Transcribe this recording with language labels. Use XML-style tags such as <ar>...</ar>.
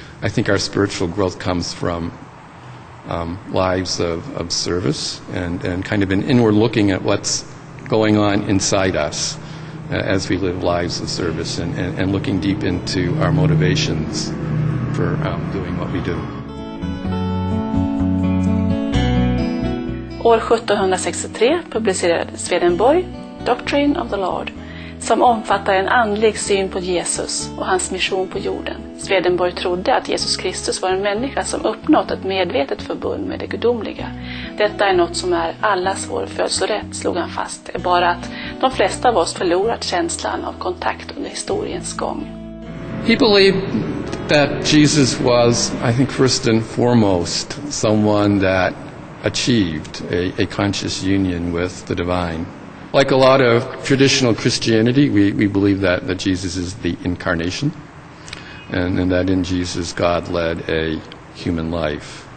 <en>I think our spiritual growth comes from lives of service and kind of an inward looking at what's going on inside us as we live lives of service and looking deep into our motivations for doing what we do.</en> <sv>År 1763 publicerade Swedenborg Doctrine of the Lord, som omfattar en andlig syn på Jesus och hans mission på jorden. Swedenborg trodde att Jesus Kristus var en människa som uppnått ett medvetet förbund med det gudomliga. Detta är något som är allas vår födelsorätt, slog han fast. Det är bara att de flesta av oss förlorat känslan av kontakt under historiens gång.</sv> <en>He believed that Jesus was, I think, first and foremost, someone that achieved a conscious union with the divine. Like a lot of traditional Christianity, we believe that Jesus is the incarnation, and that in Jesus God led a human life.</en>